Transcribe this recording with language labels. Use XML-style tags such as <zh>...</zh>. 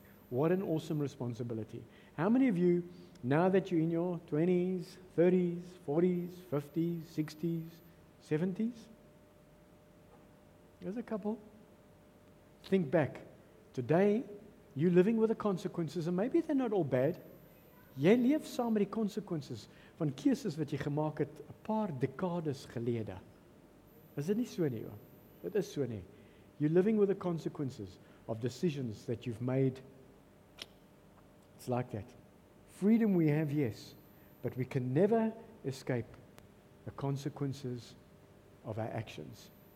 <en>What an awesome responsibility. How many of you, now that you're in your 20s, 30s, 40s, 50s, 60s, 70s? There's a couple. Think back. Today, you're living with the consequences, and maybe they're not all bad.</en> <af>Jy leef saam met die konsekwensies van keuses wat jy gemaak het 'n paar dekades gelede. Is dit nie so nie, oom? Dit is so nie.</af> <en>You're living with the consequences of decisions that you've made. It's like that. Freedom we have, yes, but we can never escape the consequences of our actions.</en>